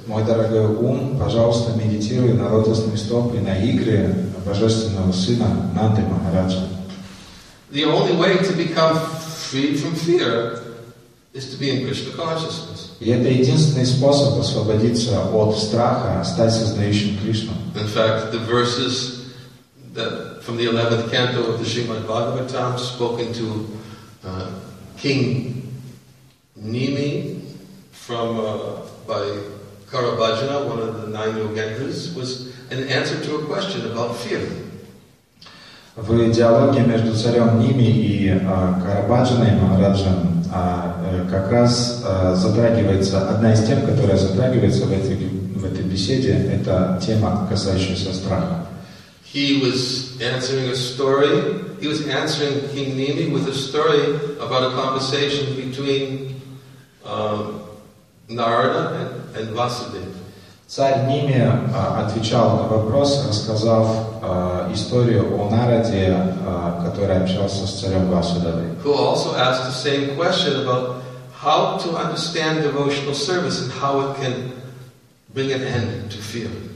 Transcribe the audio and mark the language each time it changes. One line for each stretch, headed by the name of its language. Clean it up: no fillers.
Russian: Мой дорогой ум, пожалуйста, медитируй на лотосные стопы, на игры Божественного Сына Нанды Махараджа.
English: The only way to become free from fear is to be in Krishna consciousness.
Russian: И это единственный способ освободиться от страха, стать сознающим Кришну.
English: In fact, the verses that from the 11th canto of the Srimad Bhagavatam spoken to King Nimi from by Karabhajana, one of the nine yogendras, was an answer to a question about fear.
Russian: В диалоге между царем Ними и Карабаджаной Махараджем как раз затрагивается одна из тем, которая затрагивается в этой беседе, это тема, касающаяся страха.
English: He was answering a story. He was answering King Nimi with a story about a conversation between Narada and Vasudeva.
Russian: Царь Ними отвечал на вопрос, рассказав историю о Нараде, который общался с царем Васудевой.
English: Who also asked the same question about how to understand devotional service and how it can bring an end to fear.